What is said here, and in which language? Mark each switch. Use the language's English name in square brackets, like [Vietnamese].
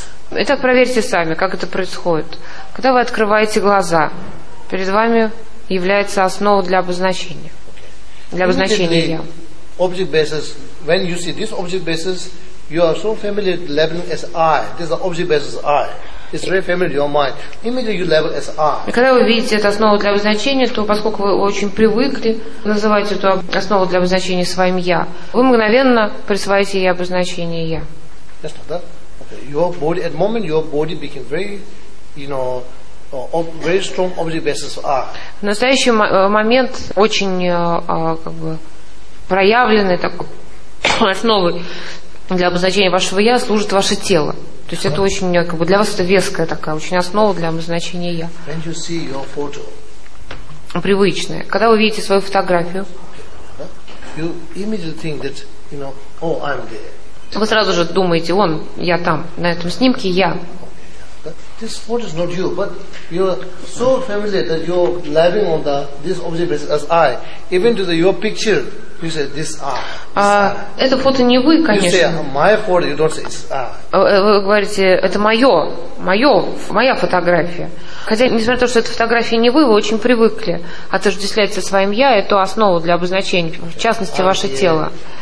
[Russian] Итак, проверьте сами, как это происходит. Когда вы открываете глаза, перед вами является основа для обозначения. Для обозначения «я». [English] Object basis, when you see this object basis, you are so familiar with labeling as I. This is the object basis I. It's very familiar to your mind. Immediately you label as I. [Russian] Когда вы видите эту основу для обозначения, то поскольку вы очень привыкли называть эту основу для обозначения своим «я», вы мгновенно присваиваете ей обозначение «я». [English] Yes, not that. Okay. Your body, at the moment, your body became very, you know, very strong object basis of I. [Russian] В настоящий момент очень как бы проявленной такой основой для обозначения вашего «я» служит ваше тело. То есть это очень, как бы, для вас это веская такая, очень основа для обозначения «я». [English] When you see your photo, [Russian] привычная. Когда вы видите свою фотографию, [English] you immediately think that, you know, oh, I'm there. [Russian] Вы сразу же думаете, вон, я там, на этом снимке «я». [English] This photo is not you, but you are so familiar that you are living on the this object basis as I. Even to the your picture, you say this I. [Russian] Это фото не вы, конечно. [English] You say my photo, you don't say it's I. [Russian] Вы говорите, это мое, моя фотография. Хотя, несмотря на то, что эта фотография не вы, вы очень привыкли отождествлять со своим «я» эту основу для обозначения, в частности, ваше тело.